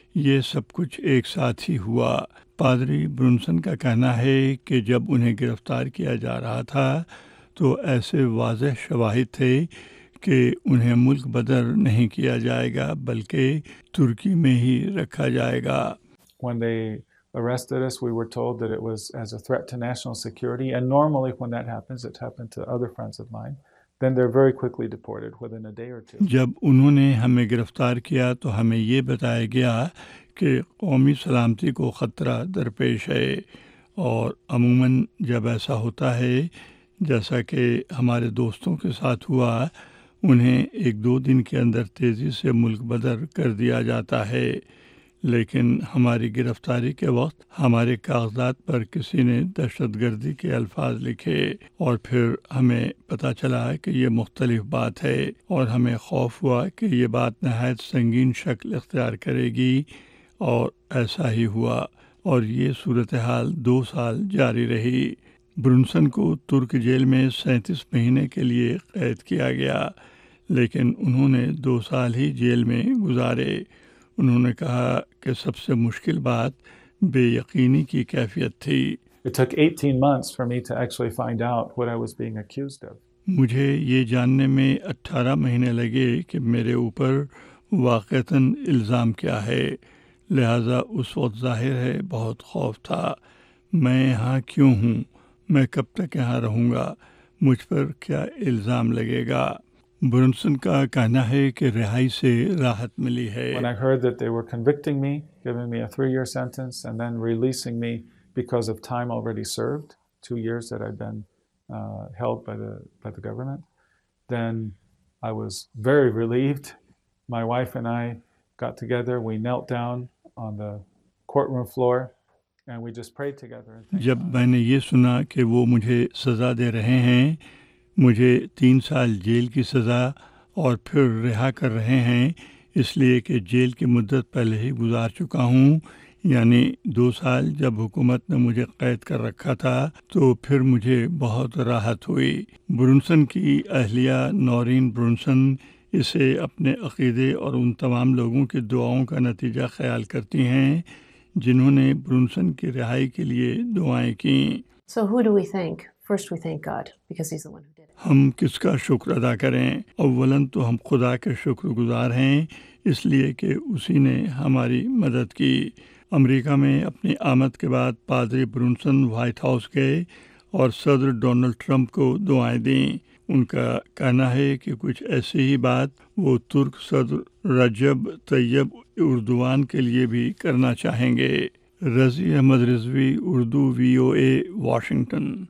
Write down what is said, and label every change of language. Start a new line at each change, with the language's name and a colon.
Urdu: یہ سب کچھ ایک ساتھ ہی ہوا. پادری برنسن کا کہنا ہے کہ جب انہیں گرفتار کیا جا رہا تھا تو ایسے واضح شواہد تھے کہ انہیں ملک بدر نہیں کیا جائے گا بلکہ ترکی میں ہی رکھا جائے گا.
English: Arrested us, we were told that it was as a threat to national security, and normally when that happens, it happened to other friends of mine, then they're very quickly deported within a day or two.
Urdu: جب انہوں نے ہمیں گرفتار کیا تو ہمیں یہ بتایا گیا کہ قومی سلامتی کو خطرہ درپیش ہے, اور عموماً جب ایسا ہوتا ہے جیسا کہ ہمارے دوستوں کے ساتھ ہوا, انہیں ایک دو دن کے اندر تیزی سے ملک بدر کر دیا جاتا ہے، لیکن ہماری گرفتاری کے وقت ہمارے کاغذات پر کسی نے دہشت گردی کے الفاظ لکھے اور پھر ہمیں پتہ چلا کہ یہ مختلف بات ہے، اور ہمیں خوف ہوا کہ یہ بات نہایت سنگین شکل اختیار کرے گی، اور ایسا ہی ہوا اور یہ صورتحال دو سال جاری رہی۔ برنسن کو ترک جیل میں 37 مہینے کے لیے قید کیا گیا، لیکن انہوں نے دو سال ہی جیل میں گزارے۔ انہوں نے کہا کہ سب سے مشکل بات بے یقینی کی کیفیت تھی۔
English: It took 18 months for me to actually find out what I was being accused of.
Urdu: مجھے یہ جاننے میں 18 مہینے لگے کہ میرے اوپر واقعتاً الزام کیا ہے، لہذا اس وقت ظاہر ہے بہت خوف تھا۔ میں یہاں کیوں ہوں؟ میں کب تک یہاں رہوں گا؟ مجھ پر کیا الزام لگے گا؟ برنسن کا کہنا ہے کہ رہائی سے راحت ملی ہے۔
English: When I heard that they were convicting me, giving me a 3-year sentence and then releasing me because of time already served, 2 years that I'd been held by the government, then I was very relieved. My wife and I got together, we knelt down on the courtroom floor and we just prayed together.
Urdu: جب میں نے یہ سنا کہ وہ مجھے سزا دے رہے ہیں، مجھے 3 سال جیل کی سزا اور پھر رہا کر رہے ہیں، اس لیے کہ جیل کی مدت پہلے ہی گزار چکا ہوں، یعنی 2 سال جب حکومت نے مجھے قید کر رکھا تھا، تو پھر مجھے بہت راحت ہوئی۔ برنسن کی اہلیہ نورین برنسن اسے اپنے عقیدے اور ان تمام لوگوں کی دعاؤں کا نتیجہ خیال کرتی ہیں جنہوں نے برنسن کی رہائی کے لیے دعائیں کیں۔
English: So who do we think? First we thank God because he's the one who did it.
Urdu: ہم کس کا شکر ادا کریں؟ اولاً تو ہم خدا کے شکر گزار ہیں، اس لیے کہ اسی نے ہماری مدد کی۔ امریکہ میں اپنی آمد کے بعد پادری برنسن وائٹ ہاؤس گئے اور صدر ڈونلڈ ٹرمپ کو دعائیں دیں۔ ان کا کہنا ہے کہ کچھ ایسی ہی بات وہ ترک صدر رجب طیب اردوان کے لیے بھی کرنا چاہیں گے۔ رضی احمد رضوی، اردو وی او اے، واشنگٹن۔